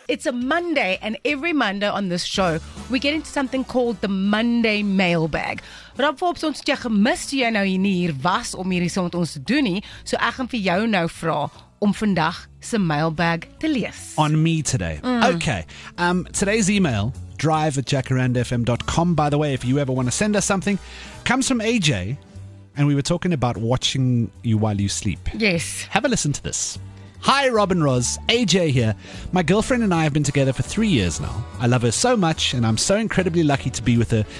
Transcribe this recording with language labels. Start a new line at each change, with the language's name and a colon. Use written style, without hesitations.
English: It's a Monday, and every Monday on this show, we get into something called the Monday Mailbag.
Afrikaans: Rob Forbes, ons het jou gemis toe jy nou hier nie hier was om hierdie saam met ons te doen nie. So ek gaan vir jou nou vra om vandag se mailbag te lees.
English: On me today. Mm. Okay. Today's email, drive@jacarandafm.com, by the way, if you ever want to send us something, comes from AJ. And we were talking about watching you while you sleep. Yes. Have a listen to this. Hi, Robin Roz. AJ here. My girlfriend and I have been together for 3 years now. I love her so much and I'm so incredibly lucky to be with her.